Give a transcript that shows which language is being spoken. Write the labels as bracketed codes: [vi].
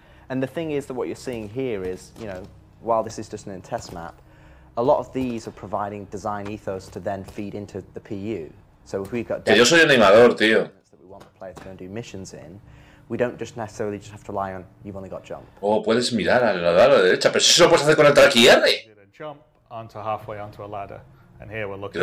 [en] And the thing is that what you're seeing here is, you know, while this is just an in-test map, a lot of these are providing design ethos to then feed into the PU. So if we've got [es] que yo soy animador, tío. [en] That we want the player to go and do missions in, we don't just necessarily just have to rely on you've only got jump. [es] Oh, puedes mirar a la derecha, pero si eso lo puedes hacer con el tracker. [en] Jump onto halfway onto a ladder, and here we're looking.